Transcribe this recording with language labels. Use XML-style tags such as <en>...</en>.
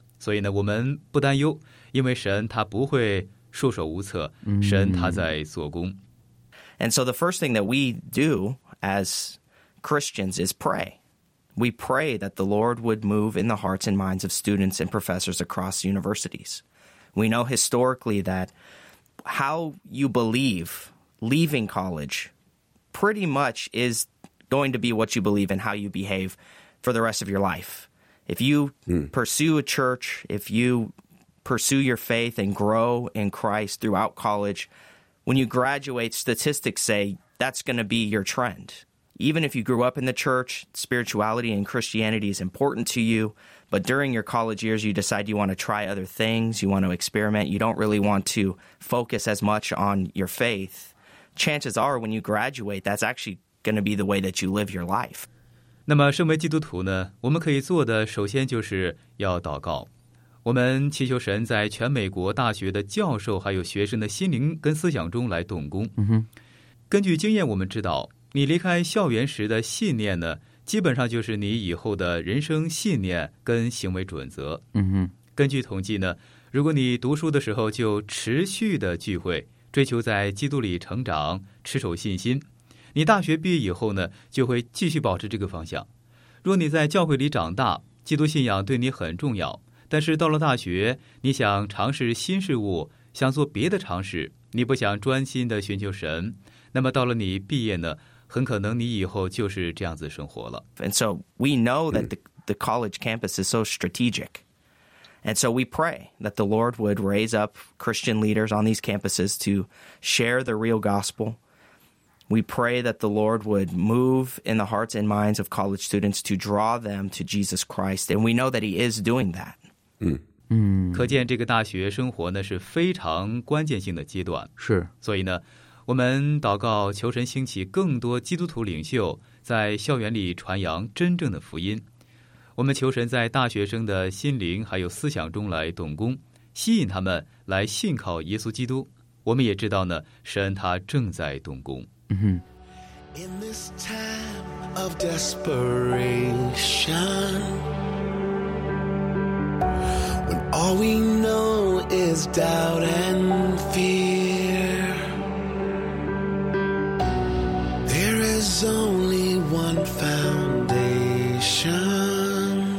<zh>所以呢，我们不担忧，因为神他不会束手无策，神他在做工。</zh> <en>And so the first thing that we do as Christians is pray. We pray that the Lord would move in the hearts and minds of students and professors across universities. We know historically that how you believe leaving college pretty much is going to be what you believe and how you behave for the rest of your life. If you pursue a church, if you pursue your faith and grow in Christ throughout college, when you graduate, statistics say that's going to be your trend. Even if you grew up in the church, spirituality and Christianity is important to you. But during your college years, you decide you want to try other things. You want to experiment. You don't really want to focus as much on your faith. Chances are when you graduate, that's actually going to be the way that you live your life.</en> <zh>那么身为基督徒呢，我们可以做的首先就是要祷告。我们祈求神在全美国大学的教授还有学生的心灵跟思想中来动工。根据经验我们知道，你离开校园时的信念呢，基本上就是你以后的人生信念跟行为准则。根据统计呢，如果你读书的时候就持续的聚会，追求在基督里成长，持守信心，你大学毕业以后呢，就会继续保持这个方向。若你在教会里长大，基督信仰对你很重要，但是到了大学，你想尝试新事物，想做别的尝试，你不想专心的寻求神，那么到了你毕业呢，很可能你以后就是这样子生活了。</zh> <en>And so we know that the college campus is so strategic. And so we pray that the Lord would raise up Christian leaders on these campuses to share the real gospel. We pray that the Lord would move in the hearts and minds of college students to draw them to Jesus Christ. And we know that he is doing that.</en> <zh>可见这个大学生活呢是非常关键性的阶段。是。所以呢，我们祷告求神兴起更多基督徒领袖在校园里传扬真正的福音。我们求神在大学生的心灵还有思想中来动工，吸引他们来信靠耶稣基督。我们也知道呢，神他正在动工。</zh> <en>In this time of desperation, when all we know is doubt and fear, there is only one foundation.</en>